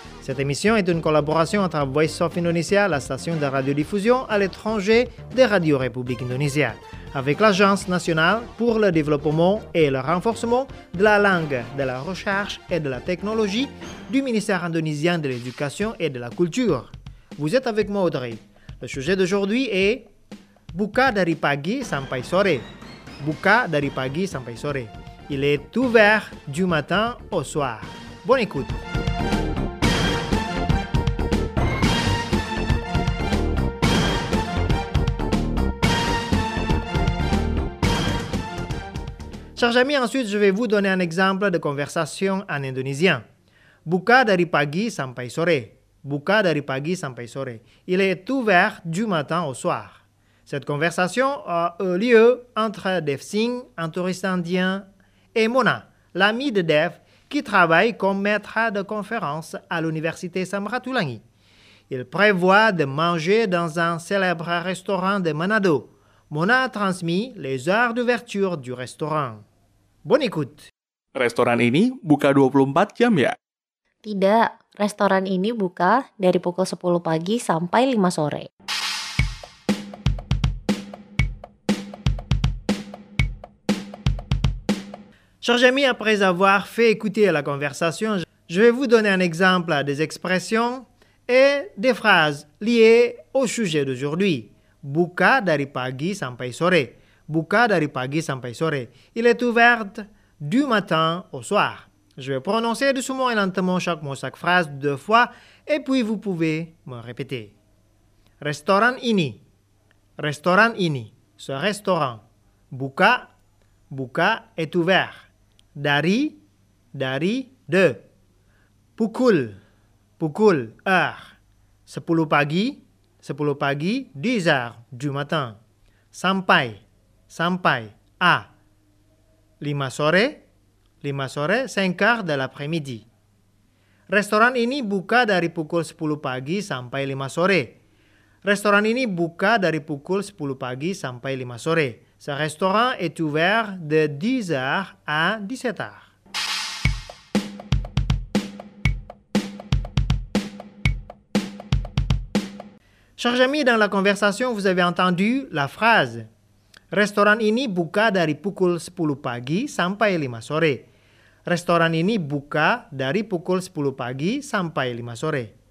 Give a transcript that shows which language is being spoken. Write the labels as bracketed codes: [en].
[fr] Cette émission est une collaboration entre Voice of Indonesia, la station de radiodiffusion à l'étranger de Radio République Indonésia, avec l'Agence nationale pour le développement et le renforcement de la langue, de la recherche et de la technologie du ministère indonésien de l'éducation et de la culture. Vous êtes avec moi, Audrey. Le sujet d'aujourd'hui est [id] Buka dari pagi sampai sore. Buka dari pagi sampai sore. [fr] Il est ouvert du matin au soir. Bonne écoute. Chers amis, ensuite je vais vous donner un exemple de conversation en indonésien. [id] Buka dari pagi sampai sore. Buka dari pagi sampai sore. [fr] Il est ouvert du matin au soir. Cette conversation a eu lieu entre Dev Singh, un touriste indien, et Mona, l'amie de Dev, qui travaille comme maître de conférence à l'université Samratulangi. Il prévoit de manger dans un célèbre restaurant de Manado. Mona a transmis les heures d'ouverture du restaurant. Bonne écoute. [id] Restaurant ini buka 24 jam ya? Tidak, restoran ini buka dari pukul 10 pagi sampai 5 sore. [fr] Chers amis, après avoir fait écouter la conversation, je vais vous donner un exemple des expressions et des phrases liées au sujet d'aujourd'hui. [id] Buka dari pagi sampai sore. Buka dari pagi sampai sore. [fr] Il est ouvert du matin au soir. Je vais prononcer doucement et lentement chaque mot, chaque phrase deux fois et puis vous pouvez me répéter. [id] Restaurant ini. Restaurant ini. [fr] Ce restaurant. [id] Buka. [fr] Buka est ouvert. Dari, dari, de. [id] Pukul, pukul, [fr] heure. [id] Sepuluh pagi, [fr] 10 heures du matin. [id] Sampai, sampai, à. Lima sore, [fr] 5 heures de l'après-midi. [id] Restoran ini buka dari pukul 10 pagi sampai 5 sore. Restoran ini buka dari pukul 10 pagi sampai 5 sore. [fr] Ce restaurant est ouvert de 10h à 17h. Chers amis, dans la conversation, vous avez entendu la phrase [id] « Restaurant ini buka dari pukul 10 pagi sampai 5 sore. » Restaurant ini buka dari pukul 10 pagi sampai 5 sore.